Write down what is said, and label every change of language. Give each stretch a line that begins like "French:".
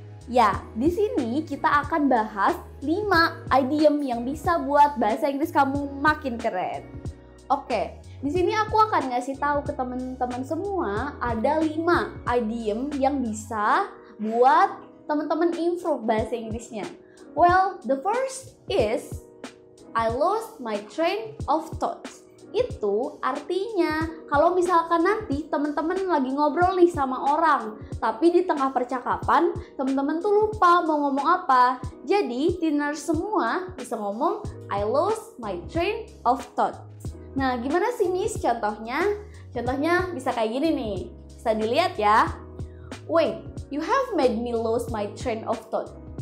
Indonesian: Ya, di sini kita akan bahas 5 idiom yang bisa buat bahasa Inggris kamu makin keren. Oke, di sini aku akan ngasih tahu ke teman-teman semua ada 5 idiom yang bisa buat teman-teman improve bahasa Inggrisnya.
English: Well, the first is I lost my train of thought.
Indonesian: Itu artinya kalau misalkan nanti teman-teman lagi ngobrol nih sama orang, tapi di tengah percakapan teman-teman tuh lupa mau ngomong apa. Jadi Tiner semua bisa ngomong
English: I lost my train of thought.
Indonesian: Nah, gimana sih Miss contohnya? Contohnya bisa kayak gini nih. Bisa dilihat ya.
English: Wait, you have made me lose my train of thought.